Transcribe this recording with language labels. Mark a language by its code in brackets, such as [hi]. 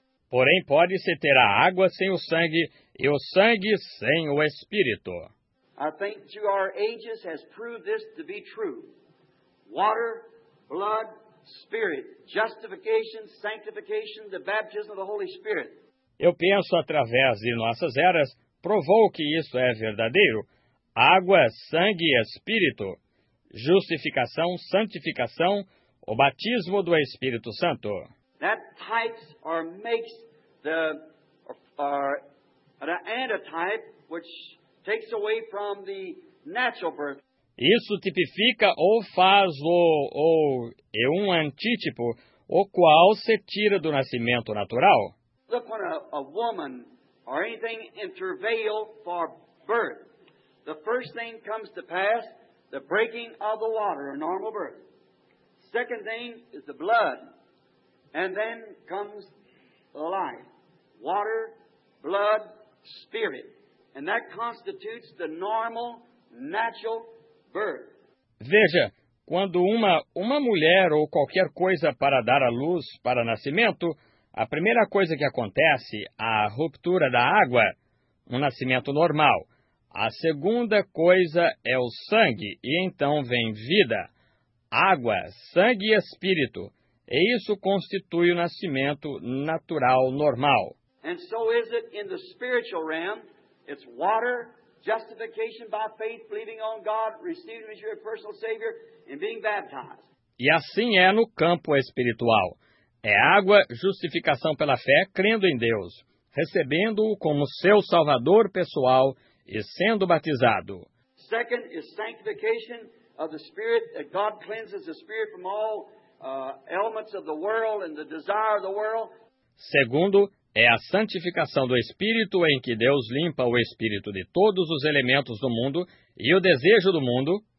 [pt] Porém, pode-se ter a água sem o sangue e o sangue sem o Espírito. [en] I think through our ages has proved this to be true. Water, blood, spirit, justification, sanctification, the baptism of the Holy Spirit. [pt] Eu penso, através de nossas eras, provou que isso é verdadeiro. Água, sangue e espírito. Justificação, santificação, o batismo do Espírito Santo. [en] That types or makes the or an antitype which takes away from the natural birth. [pt] Isso tipifica ou faz ou é um antítipo, o qual se tira do nascimento natural. [en] Look when a woman or anything in travail for birth, the first thing comes to pass, the breaking of the water, a normal birth. Second thing is the blood, and then comes the life. Water, blood, spirit. And that constitutes the normal, natural birth. [pt] Veja, quando uma mulher ou qualquer coisa para dar à luz para nascimento, a primeira coisa que acontece, a ruptura da água, um nascimento normal. A segunda coisa é o sangue, e então vem vida. Água, sangue e espírito. E isso constitui o nascimento natural, normal. [en] And so is it in the spiritual realm. It's water, justification by faith, believing on God, receiving as your personal Savior, and being baptized. [pt] E assim é no campo espiritual. É água, justificação pela fé, crendo em Deus, recebendo-o como seu Salvador pessoal e sendo batizado. [en] Second is sanctification of the Spirit, that God cleanses the Spirit from all elements of the world and the desire of the world. [pt] Segundo, é a santificação do Espírito em que Deus limpa o Espírito de todos os elementos do mundo e o desejo do mundo.